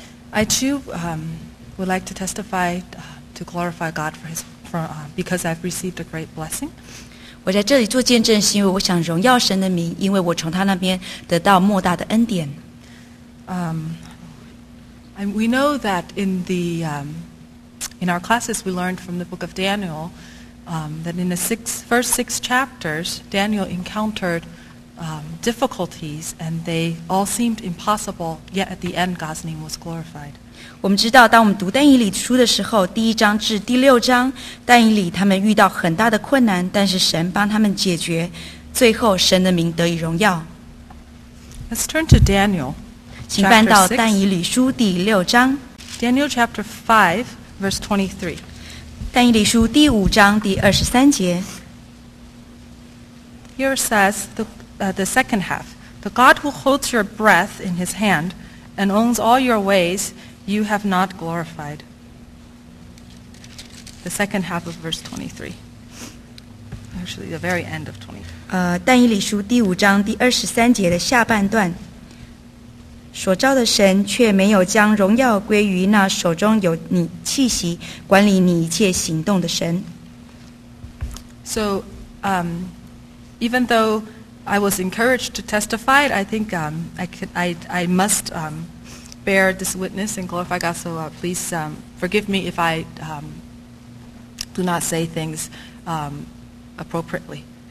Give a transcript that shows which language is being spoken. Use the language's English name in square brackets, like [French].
[English] I too would like to testify to glorify God because I've received a great blessing. [Chinese] 我在这里做见证，是因为我想荣耀神的名，因为我从他那边得到莫大的恩典。 [English] We know that in the in our classes we learned from the book of Daniel that in the first six chapters Daniel encountered difficulties, and they all seemed impossible, yet at the end, God's name was glorified. [Chinese] 我们知道，当我们读但以理书的时候，第一章至第六章，但以理他们遇到很大的困难，但是神帮他们解决，最后神的名得以荣耀。 [English] Let's turn to Daniel. [Chinese] 请翻到但以理书第六章。 [English] Daniel chapter 5, verse 23. [Chinese] 但以理书第五章第二十三节。 [English] Here says the second half. The God who holds your breath in his hand and owns all your ways, you have not glorified. The second half of verse 23. Actually, the very end of 23. [Chinese] 但以理书第五章第二十三节的下半段。所造的神却没有将荣耀归于那手中有你气息管理你一切行动的神。 [English] So, even though I was encouraged to testify, I think I must bear this witness and glorify God. So please forgive me if I do not say things appropriately.